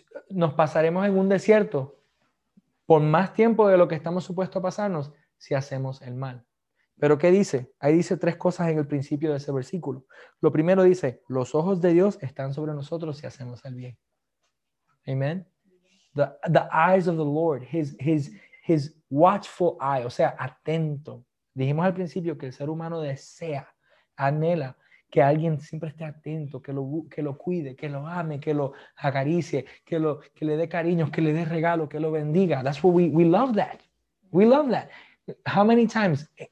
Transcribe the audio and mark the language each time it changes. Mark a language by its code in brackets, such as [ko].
[es] Nos pasaremos en un desierto por más tiempo de lo que estamos supuestos a pasarnos si hacemos el mal. ¿Pero qué dice? Ahí dice tres cosas en el principio de ese versículo. Lo primero dice, los ojos de Dios están sobre nosotros si hacemos el bien. Amen. [en] The eyes of the Lord, his watchful eye, o sea, atento. [es] Dijimos al principio que el ser humano desea, anhela que alguien siempre esté atento, que lo cuide, que lo ame, que lo acaricie, que le dé cariño, que le dé regalo, que lo bendiga. [en] That's what we love that. We love that. How many times...